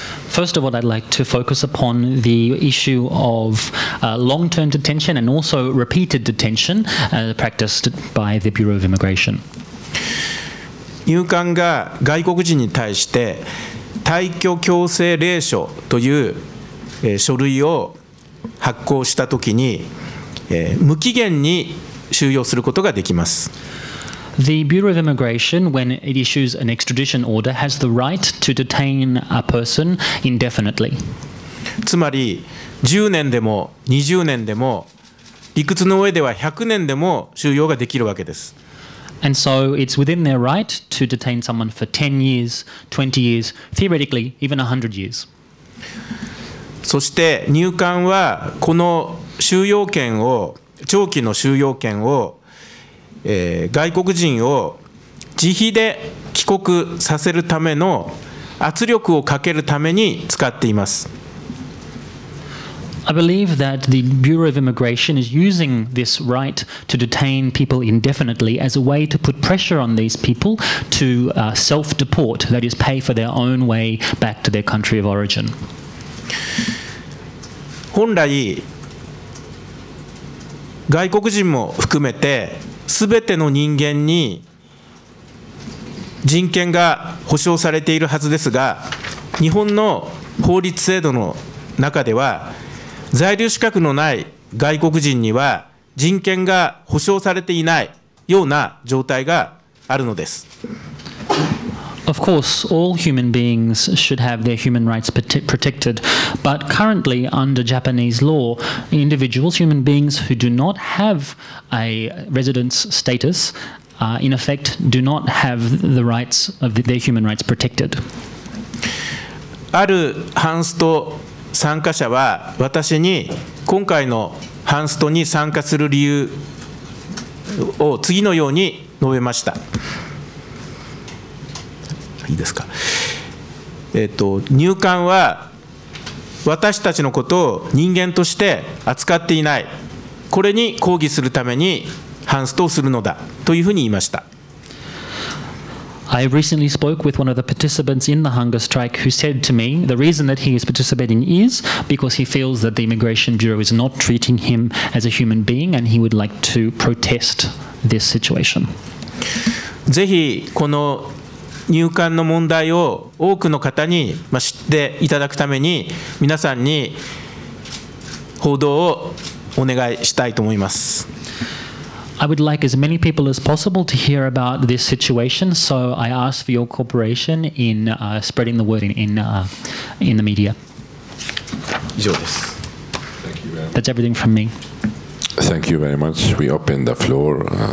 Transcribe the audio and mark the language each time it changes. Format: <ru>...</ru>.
<en>First of all, I'd like to focus upon the issue of long-term detention and also repeated detention practiced by the Bureau of Immigration.</en> <ja>入管が外国人に対して退去強制令書という書類を発行したときに、無期限に収容することができます。</ja> <en>The Bureau of Immigration, when it issues an extradition order, has the right to detain a person indefinitely.</en> <ja>つまり10年でも20年でも理屈の上では100年でも収容ができるわけです。</ja> <en>And so it's within their right to detain someone for 10 years, 20 years, theoretically even 100 years.</en> <ja>そして入管はこの収容権を長期の収容権を外国人を自費で帰国させるための圧力をかけるために使っています。</ja> <en>I believe that the Bureau of Immigration is using this right to detain people indefinitely as a way to put pressure on these people to self-deport, that is, pay for their own way back to their country of origin.</en> <ja>本来、外国人も含めて全ての人間に人権が保障されているはずですが、日本の法律制度の中では在留資格のない外国人には人権が保障されていないような状態があるのです。</ja> <en>Of course, all human beings should have their human rights protected, but currently under Japanese law, individuals, human beings who do not have a residence status, in effect, do not have the rights of their human rights protected.</en> <ja>あるハンスト参加者は私に今回のハンストに参加する理由を次のように述べました。いいですか。入管は私たちのことを人間として扱っていない、これに抗議するためにハンストをするのだというふうに言いました。</ja> <en>I recently spoke with one of the participants in the hunger strike who said to me the reason that he is participating is because he feels that the Immigration Bureau is not treating him as a human being and he would like to protest this situation.</en> <ja>ぜひこの入管の問題を多くの方に知っていただくために皆さんに報道をお願いしたいと思います。</ja> <en>I would like as many people as possible to hear about this situation, so I ask for your cooperation in spreading the word in the media.</en> <ja>以上です。</ja> <en>That's everything from me. Thank you very much. We open the floor.</en>